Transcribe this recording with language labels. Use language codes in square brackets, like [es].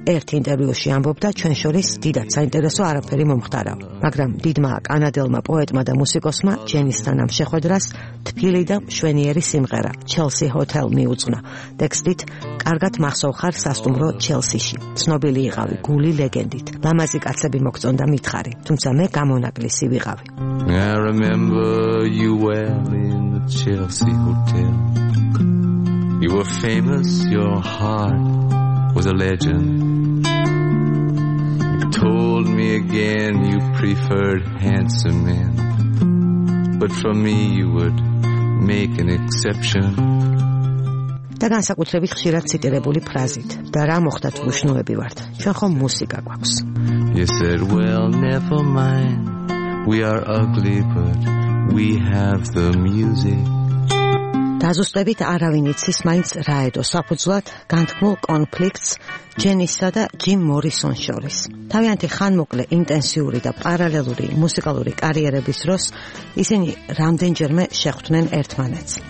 [ka] ერთ ინტერვიუში ამბობდა, ჩვენ შორის დიდად საინტერესო არაფერი მომხდარა, მაგრამ დიდმა კანადელმა პოეტმა და მუსიკოსმა ჯენისთან ამ შეხვედრას თბილი და მშვენიერი სიმღერა ჩელსი ჰოთელ მიუძღვნა. ტექსტით: კარგად მახსოვხარ სასტუმრო ჩელსიში, ცნობილი იყავი გული ლეგენდით, ლამაზი კაცები მოგწონდა მითხარი, თუმცა მე გამონაკლისი ვიყავი. [en] I remember you well in the Chelsea Hotel. You were famous, your heart was a legend. You told me again you preferred handsome men, but for me you would make an exception. [ka] და განსაკუთრებით ხშირად ციტირებული ფრაზით: და რა მოხდა თუ უშნოები ვართ, ჩვენ ხომ მუსიკა გვაქვს. [en] You said, well, never mind, we are ugly but we have the music. [ka] დაზუსტებით არავინ იცის მაინც რა ედო საფუძვლად განთქმულ კონფლიქტს ჯენისა და ჯიმ მორისონ შორის. თავიანთი ხანმოკლე ინტენსიური და პარალელური მუსიკალური კარიერების დროს ისინი რამდენჯერმე შეხვდნენ ერთმანეთს.